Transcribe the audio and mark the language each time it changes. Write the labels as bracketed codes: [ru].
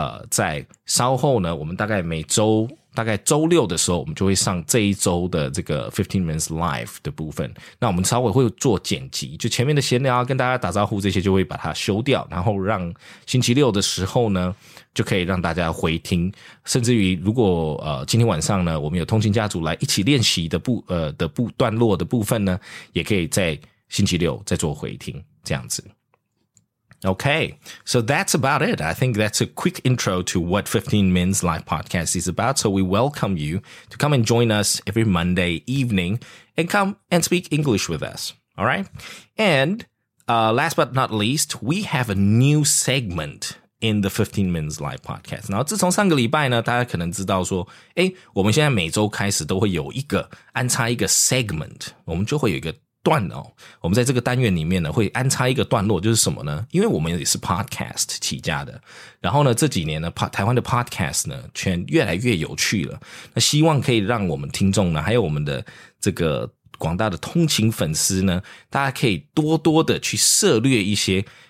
[zh] 在稍后呢，我们大概每周大概周六的时候，我们就会上这一周的这个 15 Minutes Live 的部分，那我们稍微会做剪辑，就前面的闲聊跟大家打招呼这些就会把它修掉，然后让星期六的时候呢就可以让大家回听，甚至于如果今天晚上呢我们有通勤家族来一起练习的段落的部分呢，也可以在星期六再做回听这样子。 [en] Okay, so that's about it. I think that's a quick intro to what 15 Minutes Live Podcast is about. So we welcome you to come and join us every Monday evening and come and speak English with us. All right. And last but not least, we have a new segment in the 15 Minutes Live Podcast. [zh] 然后自从上个礼拜呢，大家可能知道说，我们现在每周开始都会有一个安插一个 segment， 我们就会有一个段哦，我们在这个单元里面呢会安插一个段落，就是什么呢，因为我们也是 podcast 起家的，然后呢这几年呢台湾的 podcast 呢全越来越有趣了，那希望可以让我们听众呢还有我们的这个广大的通勤粉丝呢，大家可以多多的去涉略一些